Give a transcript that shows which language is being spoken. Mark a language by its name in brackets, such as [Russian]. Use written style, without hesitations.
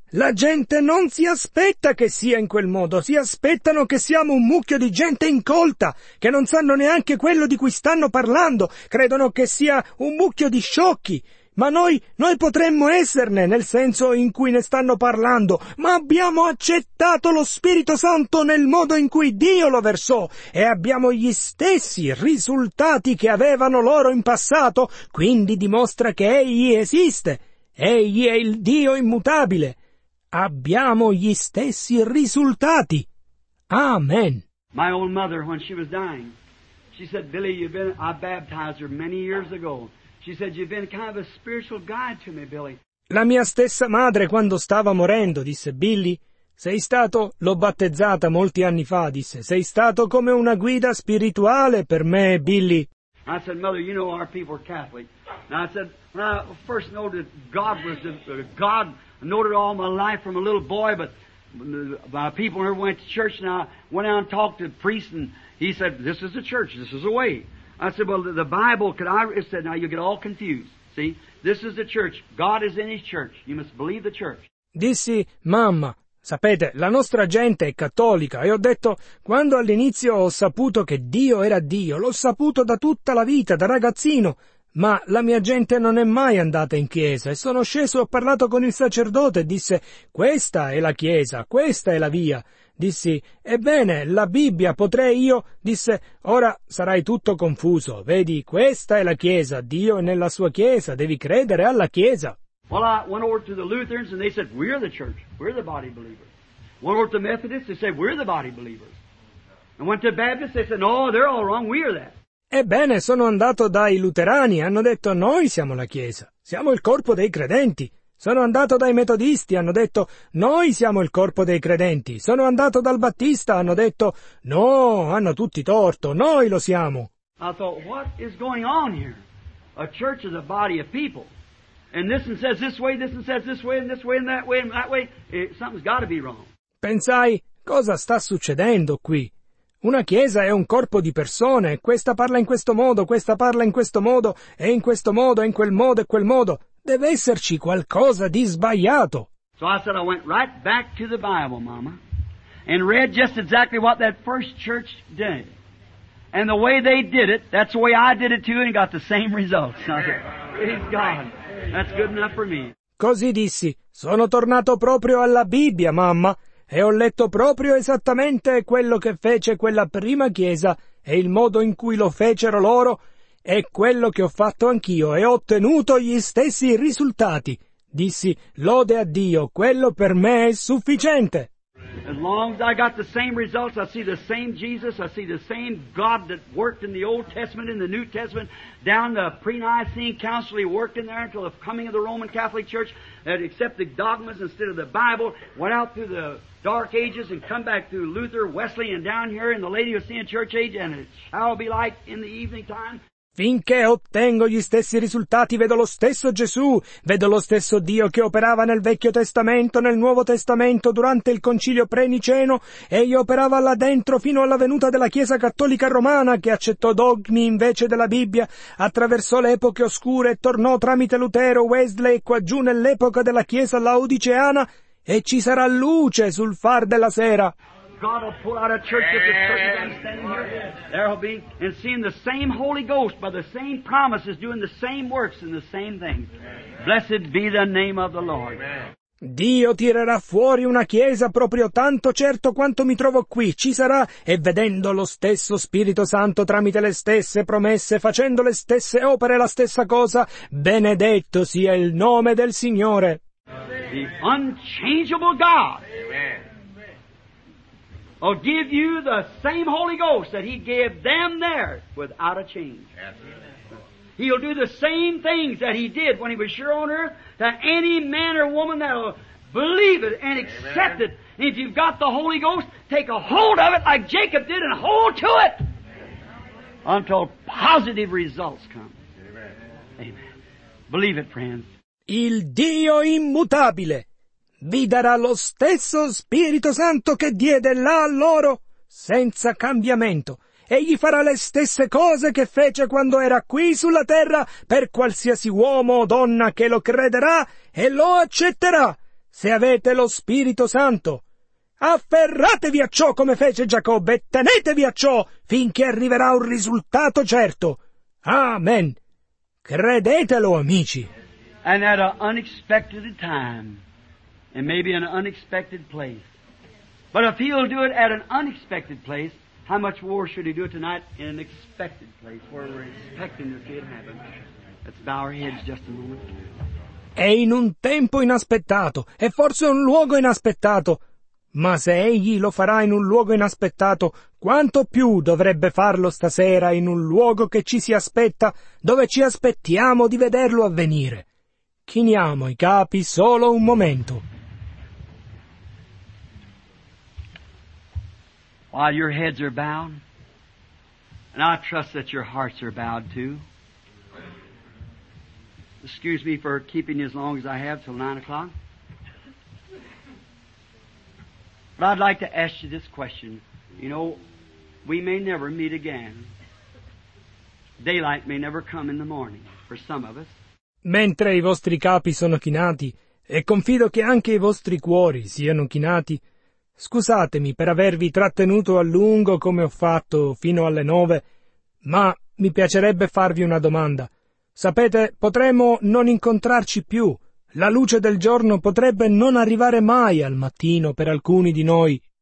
[Italian] La gente non si aspetta che sia in quel modo, si aspettano che siamo un mucchio di gente incolta, che non sanno neanche quello di cui stanno parlando, credono che sia un mucchio di sciocchi, ma noi potremmo esserne nel senso in cui ne stanno parlando, ma abbiamo accettato lo Spirito Santo nel modo in cui Dio lo versò e abbiamo gli stessi risultati che avevano loro in passato, quindi dimostra che Egli esiste. Egli è il Dio immutabile. Abbiamo gli stessi risultati. Amen. [English] My old mother, when she was dying, she said, Billy, I baptized her many years ago. She said, you've been kind of a spiritual guide to me, Billy. [Italian] La mia stessa madre, quando stava morendo, disse, Billy, l'ho battezzata molti anni fa, disse, sei stato come una guida spirituale per me, Billy. [English] I said, Mother, you know our people are Catholic. And I said, when I first noted God was God, I noted all my life from a little boy, but my people never went to church, and I went out and talked to the priest, and he said, this is a church, this is a way. I said, well, the Bible, could I? It said, now you get all confused. See, this is the church. God is in His church. You must believe the church. [Italian] Dissi, mamma. Sapete, la nostra gente è cattolica, e ho detto, quando all'inizio ho saputo che Dio era Dio, l'ho saputo da tutta la vita, da ragazzino, ma la mia gente non è mai andata in chiesa, e sono sceso e ho parlato con il sacerdote, e disse, questa è la chiesa, questa è la via. Dissi, ebbene, la Bibbia, potrei io? Disse, ora sarai tutto confuso, vedi, questa è la chiesa, Dio è nella sua chiesa, devi credere alla chiesa. [English] Well, I went over to the Lutherans and they said, we're the church. We're the body believers. Went over to the Methodists, they said, we're the body believers. And went to the Baptists, they said, no, they're all wrong, we are that. [Italian] Ebbene, sono andato dai Luterani, hanno detto, noi siamo la Chiesa, siamo il corpo dei credenti. Sono andato dai Metodisti, hanno detto, noi siamo il corpo dei credenti. Sono andato dal Battista, hanno detto, no, hanno tutti torto, noi lo siamo. [English] I thought, what is going on here? A church is a body of people. And this one says this way, and this way, and that way, and that way. Something's got to be wrong. [Italian] Pensai, cosa sta succedendo qui? Una chiesa è un corpo di persone. Questa parla in questo modo, questa parla in questo modo, e in questo modo, in quel modo, e quel modo. Deve esserci qualcosa di sbagliato. [English] So I said I went right back to the Bible, Mama, and read just exactly what that first church did. And the way they did it, that's the way I did it too, and got the same results. I said, praise God. That's good enough for me. [Italian] Così dissi, sono tornato proprio alla Bibbia, mamma, E ho letto proprio esattamente quello che fece quella prima chiesa e il modo in cui lo fecero loro è quello che ho fatto anch'io e ho ottenuto gli stessi risultati. Dissi, lode a Dio, quello per me è sufficiente. [English] As long as I got the same results, I see the same Jesus, I see the same God that worked in the Old Testament, in the New Testament, down the pre-Nicene Council, he worked in there until the coming of the Roman Catholic Church, that accepted dogmas instead of the Bible, went out through the Dark Ages and come back through Luther, Wesley, and down here in the Lady of Sin Church Age, and it shall be like in the evening time. [Italian] Finché ottengo gli stessi risultati, vedo lo stesso Gesù, vedo lo stesso Dio che operava nel Vecchio Testamento, nel Nuovo Testamento, durante il Concilio Pre-Niceno, egli operava là dentro fino alla venuta della Chiesa Cattolica Romana, che accettò dogmi invece della Bibbia, attraversò le epoche oscure, tornò tramite Lutero, Wesley e quaggiù nell'epoca della Chiesa Laodiceana, e ci sarà luce sul far della sera. [English] God will pull out a church if the church is standing here. There will be, and seeing the same Holy Ghost by the same promises, doing the same works and the same things. Blessed be the name of the Lord. Amen. [Italian] Dio tirerà fuori una chiesa proprio tanto certo quanto mi trovo qui, ci sarà, e vedendo lo stesso Spirito Santo tramite le stesse promesse, facendo le stesse opere, la stessa cosa, benedetto sia il nome del Signore. [English] The unchangeable God. Amen. I'll give you the same Holy Ghost that He gave them there without a change. Absolutely. He'll do the same things that He did when He was sure on earth to any man or woman that'll believe it and accept Amen. It. And if you've got the Holy Ghost, take a hold of it like Jacob did and hold to it until positive results come. Amen. Amen. Believe it, friends. [Italian] Il Dio immutabile vi darà lo stesso Spirito Santo che diede là a loro, senza cambiamento. Egli farà le stesse cose che fece quando era qui sulla terra per qualsiasi uomo o donna che lo crederà e lo accetterà, se avete lo Spirito Santo. Afferratevi a ciò come fece Giacobbe e tenetevi a ciò finché arriverà un risultato certo. Amen. Credetelo, amici. [English] And at an unexpected time. And maybe an unexpected place. But if he'll do it at an unexpected place, how much more should he do it tonight in an expected place where we're expecting to see it happen? Let's bow our heads just a moment. [Italian] È in un tempo inaspettato, è forse un luogo inaspettato, ma se egli lo farà in un luogo inaspettato, quanto più dovrebbe farlo stasera in un luogo che ci si aspetta, dove ci aspettiamo di vederlo avvenire. Chiniamo i capi solo un momento. [English] While your heads are bowed, and I trust that your hearts are bowed too. Excuse me for keeping you as long as I have till 9 o'clock. But I'd like to ask you this question. You know, we may never meet again. Daylight may never come in the morning for some of us. [Italian] Mentre i vostri capi sono chinati, e confido che anche i vostri cuori siano chinati, scusatemi per avervi trattenuto a lungo come ho fatto fino alle 9, ma mi piacerebbe farvi una domanda. Sapete, potremmo non incontrarci più. La luce del giorno potrebbe non arrivare mai al mattino per alcuni di noi.